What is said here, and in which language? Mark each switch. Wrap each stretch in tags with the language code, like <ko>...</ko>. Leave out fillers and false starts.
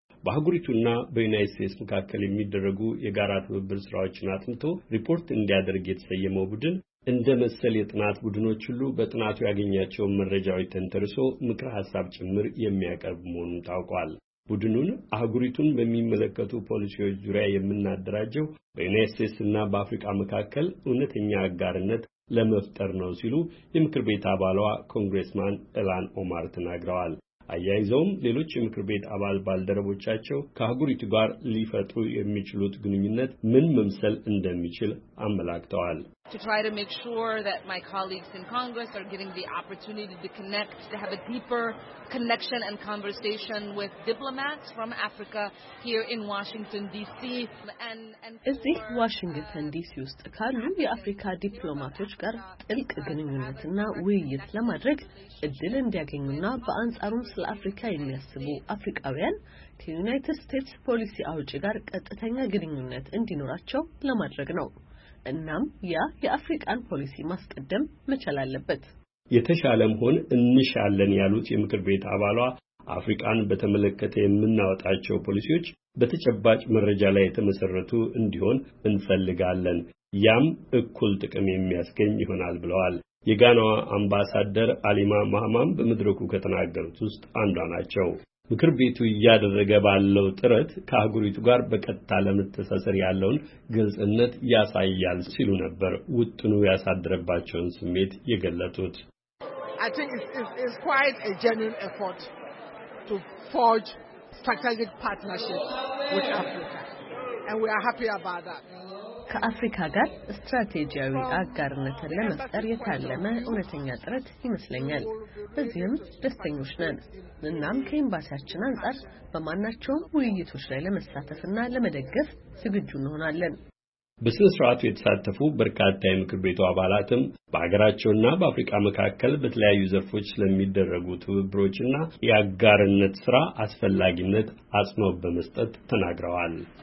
<am>በሀገሪቱና በዩናይትድ ስቴትስ መካከል የሚደረጉ የጋራ ትብብር ስራዎችን አጥንቶ ሪፖርት እንዲያደርግ የተሰየመው ቡድን እንደ መሰል የጥናት ቡድኖች ሁሉ በጥናቱ ያገኛቸውን መረጃዎች ተንተርሶ ምክረ ሐሳብ ጭምር የሚያቀርብ መሆኑን ታውቋል። ቡድኑን አህጉሪቱን በሚመለከቱ ፖሊሲዎች ዙሪያ የምናደራጀው በዩናይትድ ስቴትስ እና በአፍሪካ መካከል እውነተኛ አጋርነት ለመፍጠር ነው ሲሉ የምክር ቤት አባሏ ኮንግረስማን ኢላን ኦማር ተናግረዋል። አያይዘውም ሌሎች የምክር ቤት አባል ባልደረቦቻቸው ከአህጉሪቱ ጋር ሊፈጥሩ የሚችሉት ግንኙነት ምን መምሰል እንደሚችል አመላክተዋል።</am> <en>To try to make sure that my colleagues in Congress are getting the opportunity to connect, to have a deeper connection and conversation with diplomats from Africa here in Washington D.C.</en> <am>እዚህ ዋሽንግተን ዲሲ ውስጥ ካሉ የአፍሪካ ዲፕሎማቶች ጋር ጥልቅ ግንኙነትና ውይይት ለማድረግ እድል እንዲያገኙና በአንጻሩም ስለ አፍሪካ የሚያስቡ አፍሪካውያን ከዩናይትድ ስቴትስ ፖሊሲ አውጪ ጋር ቀጥተኛ ግንኙነት እንዲኖራቸው ለማድረግ ነው። እናም ያ የአፍሪካን ፖሊሲ ማስቀደም መቻል አለበት። የተሻለም ሆን እንሻለን ያሉት የምክር ቤት አባሏ አፍሪካን በተመለከተ የምናወጣቸው ፖሊሲዎች በተጨባጭ መረጃ ላይ ተመሰረቱ እንዲሆን እንፈልጋለን፣ ያም እኩል ጥቅም የሚያስገኝ ይሆናል ብለዋል። የጋናዋ አምባሳደር አሊማ ማህማም በመድረኩ ከተናገሩት ውስጥ አንዷ ናቸው። ምክር ቤቱ እያደረገ ባለው ጥረት ከአህጉሪቱ ጋር በቀጥታ ለመተሳሰር ያለውን ግልጽነት ያሳያል ሲሉ ነበር ውጥኑ ያሳደረባቸውን ስሜት የገለጡት።</am> <en>It's quite a genuine effort to forge strategic partnerships with Africa and we are happy about that.</en> <am>ከአፍሪካ ጋር ስትራቴጂያዊ አጋርነት ለመፍጠር የታለመ እውነተኛ ጥረት ይመስለኛል። በዚህም ደስተኞች ነን። እናም ከኤምባሲያችን አንጻር በማናቸውም ውይይቶች ላይ ለመሳተፍና ለመደገፍ ዝግጁ እንሆናለን። በስነ ስርዓቱ የተሳተፉ በርካታ የምክር ቤቱ አባላትም በአገራቸውና በአፍሪካ መካከል በተለያዩ ዘርፎች ለሚደረጉ ትብብሮችና የአጋርነት ስራ አስፈላጊነት አጽንኦት በመስጠት ተናግረዋል።</am>